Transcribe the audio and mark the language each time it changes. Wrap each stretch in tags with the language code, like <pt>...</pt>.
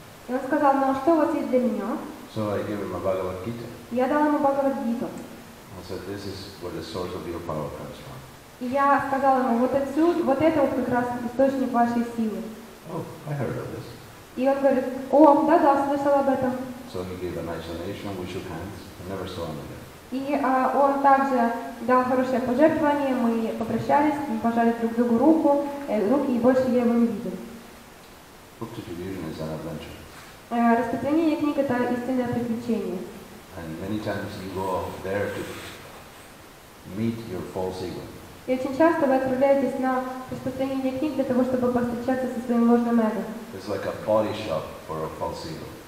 <ru>И он сказал, ну что у вас есть для меня?</ru> <en>So I gave him a Bhagavad Gita.</en> <ru>Я дал ему Bhagavad Gita.</ru> <en>I said, this is where the source of your power comes from.</en> <ru>И я сказал ему, вот отсюда, вот это вот как раз источник вашей силы.</ru> <en>Oh, I heard of this.</en> <ru>И он говорит, о, да-да, слышал об этом.</ru> <en>So he gave a nice donation, we shook hands, I never saw him again.</en> <ru>И он также дал хорошее пожертвование, мы попрощались, мы пожали друг другу руку, руки, и больше я его не видел.</ru> <en>Book distribution is an adventure.</en> <ru>Распространение книг – это истинное приключение.</ru> <en>And many times you go there to meet your false ego.</en> <ru>И очень часто вы отправляетесь на распространение книг для того, чтобы повстречаться со своим ложным эго.</ru> <en>It's like a body shop for a false ego.</en>